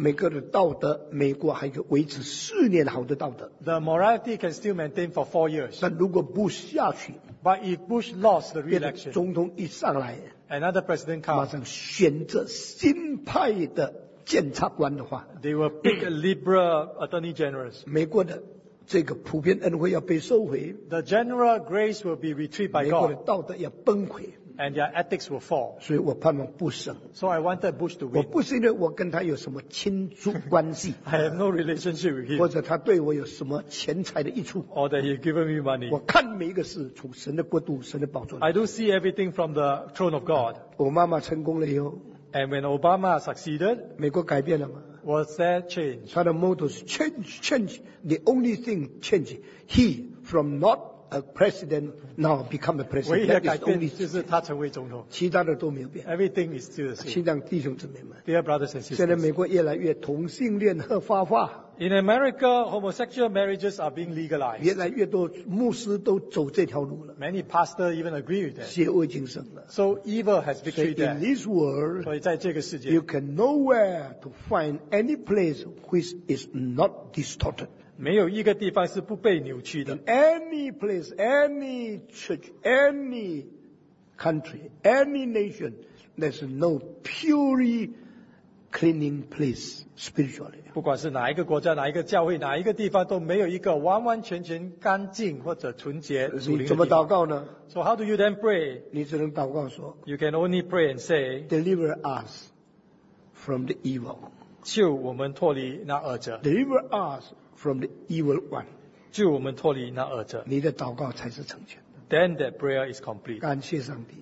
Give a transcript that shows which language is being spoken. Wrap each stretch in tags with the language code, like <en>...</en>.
<zh>每个的道德，美国还可以维持四年好的道德，</zh> <en>the morality can still maintain for four years.</en> <zh>但如果 Bush 下去，</zh> <en>but if Bush lost the re-election,</en> <zh>总统一上来，</zh> <en>another president comes,</en> <zh>马上选择新派的检察官的话，</zh> <en>they will pick a liberal attorney generals.</en> <zh>美国的这个普遍恩惠要被收回，</zh> <en>the general grace will be retrieved by God.</en> <zh>美国的道德要崩溃，</zh> <en>and their ethics will fall.</en> <zh>所以我盼望不胜，</zh> <en>so I wanted Bush to win.</en> <zh>我不是因为我跟他有什么亲疏关系，</zh> <en>I have no relationship with him.</en> <zh>或者他对我有什么钱财的益处，</zh> <en>or that he has given me money.</en> <zh>我看每一个事从神的国度、神的宝座。</zh> <en>I do see everything from the throne of God.</en> <zh>我妈妈成功了以后，</zh> <en>and when Obama succeeded,</en> <zh>美国改变了吗？</zh> <en>Was that change?</en> <zh>他的</zh> <en>motto 是 change, change. The only thing change. He from not a president now become a president.</en> <zh>唯一的改变就是他成为总统。其他的都没有变。</zh> <en>Everything is still the same.</en> <zh>亲爱的弟兄姊妹们，</zh> <en>Dear brothers and sisters.</en> <zh>现在美国越来越同性恋合法化。</zh> <en>In America, homosexual marriages are being legalized.</en> <zh>越来越多牧师都走这条路了。</zh> <en>Many pastors even agree with that.</en> <zh>邪恶已经胜了。</zh> <en>So evil has victory there. In this world,</en> <zh>所以在这个世界，</zh> <en>you can nowhere to find any place which is not distorted.</en> <zh>没有一个地方是不被扭曲的。</zh> <en>In any place, any church, any country, any nation, there's no purely cleaning place spiritually.</en> <zh>不管是哪一个国家、哪一个教会、哪一个地方，都没有一个完完全全干净或者纯洁。你怎么祷告呢？</zh> <en>So how do you then pray?</en> <zh>你只能祷告说,</zh> <en>you can only pray and say, deliver us from the evil.</en> <zh>救我们脱离那恶者。</zh> <en>Deliver us from the evil one.</en> <zh>救我们脱离那恶者。你的祷告才是成全的。</zh> <en>Then that prayer is complete.</en> <zh>感谢上帝。</zh>